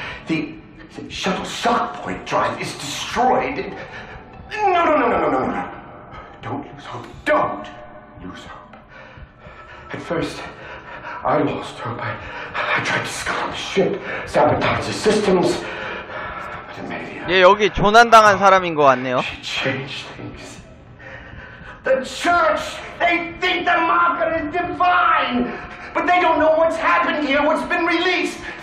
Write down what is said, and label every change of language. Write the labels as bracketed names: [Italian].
[English] The shuttle shock point drive is destroyed. No, no, no, no, no, no, no. Don't lose hope. Don't lose hope. At first, I lost hope. I tried to scuttle the ship, sabotage the systems, but it made it. [Korean] 예, 여기 조난당한 사람인 것 같네요. [English] She changed things. The church, they think the marker is divine. But they don't know what's happened here, what's been released!